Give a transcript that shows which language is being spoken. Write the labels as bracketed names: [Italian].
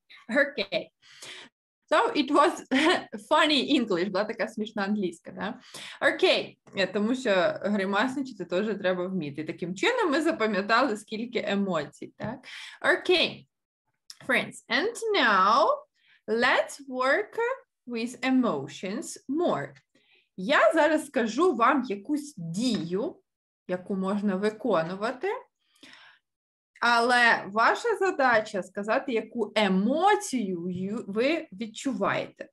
[English] Okay. So it was funny English, [Ukrainian] була така смішна англійська, да? Окей, тому що гримасничити теж треба вміти. Таким чином ми запам'ятали, скільки емоцій, так? [English] Окей, friends, and now let's work with emotions more. [Ukrainian] Я зараз скажу вам якусь дію, яку можна виконувати, але ваша задача сказати, яку емоцію ви відчуваєте.